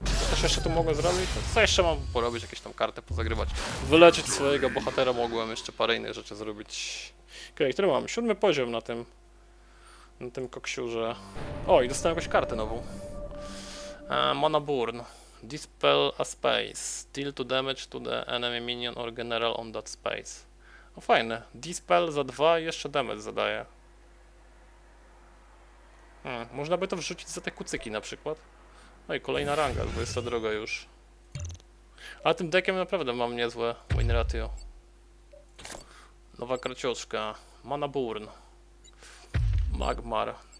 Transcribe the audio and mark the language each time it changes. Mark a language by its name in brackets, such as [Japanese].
[Polish] Coś jeszcze tu mogę zrobić? Co jeszcze mam porobić? Jakieś tam karty pozagrywać. Wyleczyć swojego bohatera mogłem, jeszcze parę innych rzeczy zrobić. Okej, który mam? 7 poziom na tym... na tym koksiurze. O, i dostałem jakąś kartę nową. [English] Mana Burn. Dispel a space. Deal to damage to the enemy minion or general on that space. [Polish] O, fajne. Dispel za 2 i jeszcze damage zadaje. Można by to wrzucić za te kucyki na przykład. No i kolejna ranga, 22 już. A tym deckiem naprawdę mam niezłe win ratio. Nowa karcioczka. Mana Burn. Magmar.